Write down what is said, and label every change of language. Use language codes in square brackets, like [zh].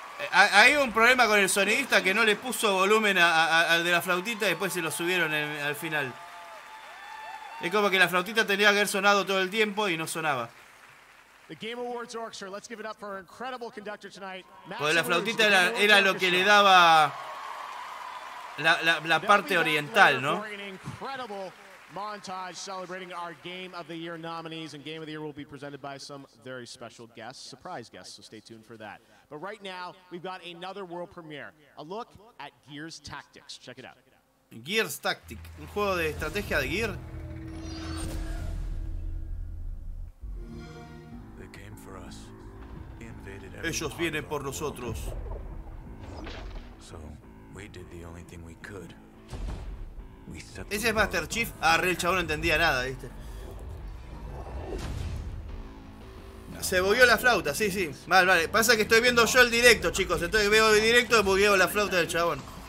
[es] Hay un problema con el sonidista que no le puso volumen al de la flautita y después se lo subieron al final. Es como que la flautita tenía que haber sonado todo el tiempo y no sonaba. [en] The Game Awards Orchestra. Let's give it up for our incredible conductor tonight. [es] Pues la flautita era lo que le daba la parte oriental, ¿no? [en] Incredible montage celebrating our Game of the Year nominees, and Game of the Year will be presented by some very special guests, surprise guests. So stay tuned for that. But right now we've got another world premiere. A look at Gears Tactics. Check it out. [es] Gears Tactics, un juego de estrategia de Gear. Ellos vienen por nosotros. [en] So, we did the only thing we could. We set the... [es] ¿Ese es Master Chief? Ah, re, el chabón no entendía nada, ¿viste? Se bugueó la flauta, sí. Vale. Pasa que estoy viendo yo el directo, chicos. Entonces veo el directo y bugueo la flauta del chabón.